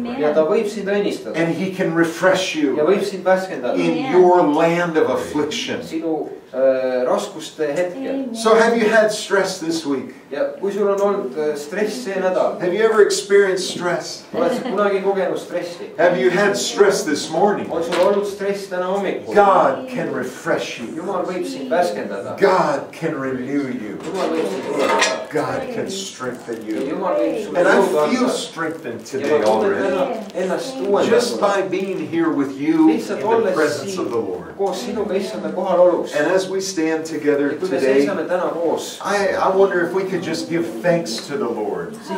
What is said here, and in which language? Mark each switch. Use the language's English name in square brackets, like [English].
[Estonian] Ja ta võib sind õnnistada. [English] And he can refresh you. [Estonian] Ja võib sind värskendada. [English] In your land of affliction. [Estonian] Sinu raskuste hetkel. [English] So have you had stress this week? [Estonian] Ja kui sul on olnud stress see nädal. [English] Have you ever experienced stress? [Estonian] Oled sa kunagi kogenud stressi? [English] Have you had stress this morning? [Estonian] Oled sul olnud stress täna hommikul? [English] God can refresh you. [Estonian] Jumal võib sind värskendada. [English] God can renew you. [Estonian] Jumal võib sind tulla. [English] God can strengthen you. [Estonian] Jumal, [English] and I feel strengthened today already. Just by being here with you in the presence of the Lord. And as we stand together today, I wonder if we could just give thanks to the Lord.